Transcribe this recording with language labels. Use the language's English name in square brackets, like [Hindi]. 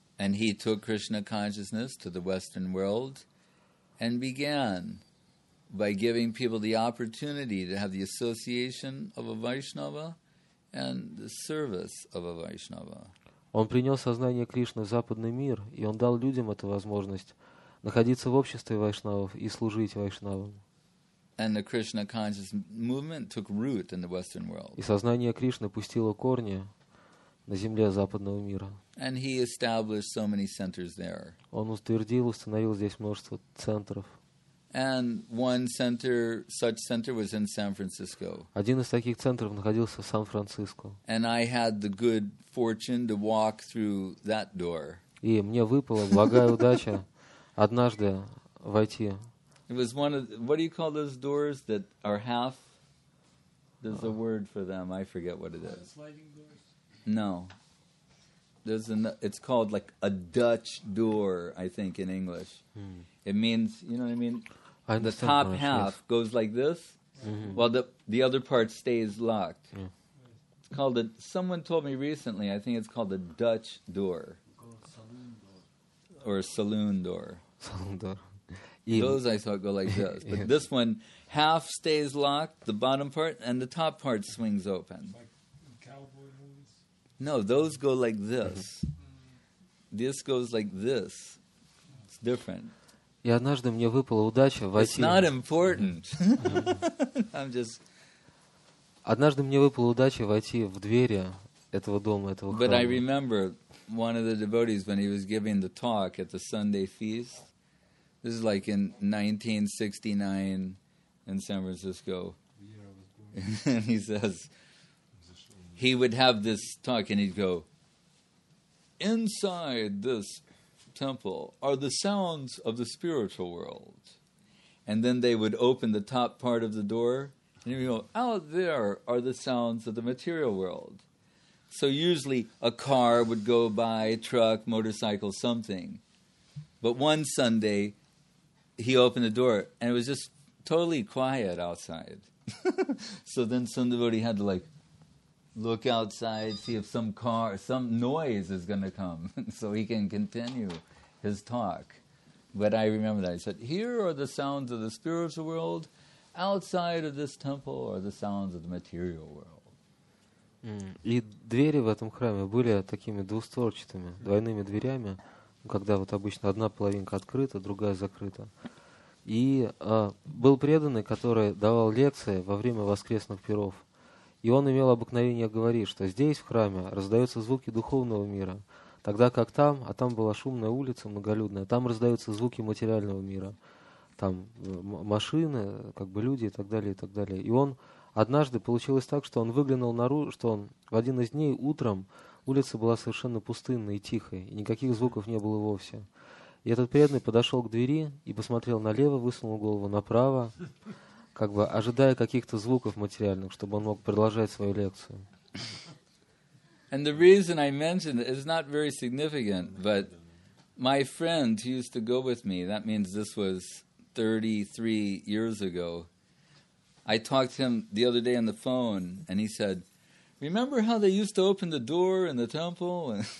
[English] And he took Krishna consciousness to the Western world and began by giving people the opportunity to have the association of a Vaishnava and the service of a Vaishnava. [Russian] Он принес сознание Кришны в западный мир, и он дал людям эту возможность находиться в обществе вайшнавов и служить вайшнавам. [English] And the Krishna conscious movement took root in the Western world. [Russian] И сознание Кришны пустило корни на земле западного мира. [English] And he established so many centers there. [Russian] Он утвердил, установил здесь множество центров. [English] And one center, such center was in San Francisco. [Russian] Один из таких центров находился в Сан-Франциско. [English] And I had the good fortune to walk through that door. [Russian] И мне выпала благая удача однажды войти. [English] It was one of what do you call those doors that are half? There's a word for them. I forget what it is. Sliding doors? No. It's called like a Dutch door, I think, in English. Mm. It means, you know what I mean? I the top half goes like this, mm-hmm. while the other part stays locked. Yeah. It's called someone told me recently, I think it's called a Dutch door. Or a saloon door. Or a saloon door. Saloon door. Those I thought go like this. But yes. This one half stays locked, the bottom part, and the top part swings open. Like cowboy movies? No, those go like this. This goes like this. It's different. [Russian] И однажды мне выпала удача войти. [English] It's not important. I'm just. [Russian] Однажды мне выпала удача войти в двери этого дома, этого храма. [English] But I remember one of the devotees when he was giving the talk at the Sunday feast. This is like in 1969 in San Francisco. And he says, he would have this talk and he'd go, inside this temple are the sounds of the spiritual world. And then they would open the top part of the door and he'd go, out there are the sounds of the material world. So usually a car would go by, truck, motorcycle, something. But one Sunday, he opened the door, and it was just totally quiet outside. So then some devotee had to, like, look outside, see if some car, some noise is going to come, so he can continue his talk. But I remember that. I said, here are the sounds of the spiritual world. Outside of this temple are the sounds of the material world. [Russian] И двери в этом храме были такими двустворчатыми, двойными дверями, когда вот обычно одна половинка открыта, другая закрыта. И был преданный, который давал лекции во время воскресных пиров. И он имел обыкновение говорить, что здесь, в храме, раздаются звуки духовного мира, тогда как там, а там была шумная улица, многолюдная, там раздаются звуки материального мира, там машины, как бы люди и так далее, и так далее. И он однажды, получилось так, что он выглянул наружу, что он в один из дней утром Улица была совершенно пустынной и тихой, и никаких звуков не было вовсе. И этот преданный подошел к двери и посмотрел налево, высунул голову направо, как бы ожидая каких-то звуков материальных, чтобы он мог продолжать свою лекцию. [English] And the reason I mentioned it is not very significant, but my friend who used to go with me, that means this was 33 years ago, I talked to him the other day on the phone, and he said, remember how they used to open the door in the temple?